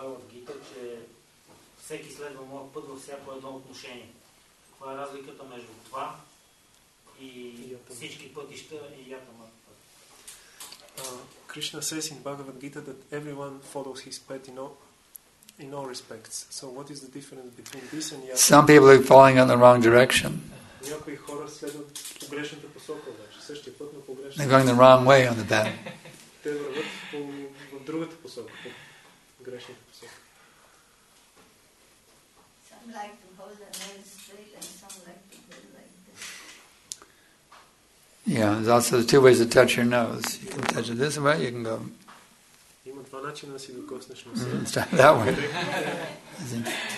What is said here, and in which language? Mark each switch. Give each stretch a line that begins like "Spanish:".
Bulgarian: Бхагавад Гита, че всеки следва моят път във всяко едно отношение. Каква е разликата между това и всички пътища и ятамат път?
English: Кришна says in Bhagavad Gita that everyone follows his path in all respects. So what is the difference between this and yatamata? Some people are falling in the wrong direction.
Bulgarian: Някои хора следват погрешната посока, значи същия път, но погрешната.
English: They're going the wrong way on the path.
Bulgarian: Те вървят в другата посока, по грешната посока.
English: Some like to hold the nose straight and some like to hold like. Yeah, there's also the two ways to touch your nose. You can touch it this way, you can go. That way.